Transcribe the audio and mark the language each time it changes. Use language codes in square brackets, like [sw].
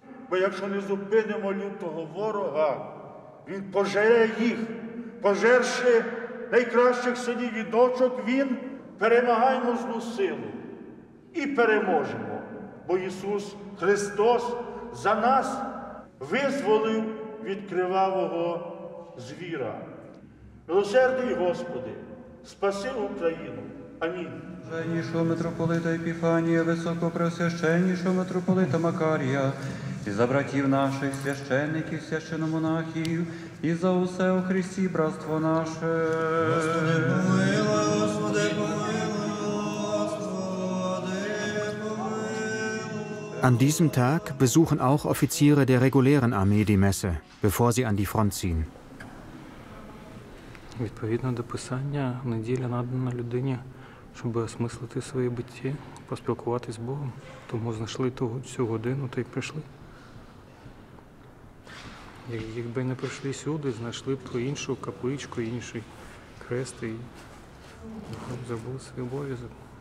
[uk] Бо якщо не зупинимо лютого ворога, він пожере їх, пожерши найкращих синів і дочок, він перемагаємо злу силу і переможемо. Бо Ісус Христос за нас визволив від кривавого звіра. Милосердий Господи, спаси Україну. Амінь. Блаженнішого митрополита Епіфанія, високопреосвященнішого митрополита Макарія, і за братів наших, священників, священномонахів, і за усе у Христі, братство наше. Господи, помилуй, Господи, помилуй, Господи, помилуй. [de] An diesem Tag besuchen auch Offiziere der regulären Armee die Messe, bevor sie an die Front ziehen. [uk] Відповідно до Писання, неділя надана людині, щоб осмислити своє буття, поспілкуватися з Богом. Тому знайшли цю годину та й прийшли. Якби не прийшли сюди, знайшли б ту іншу капличку, інший крест і забули свій обов'язок.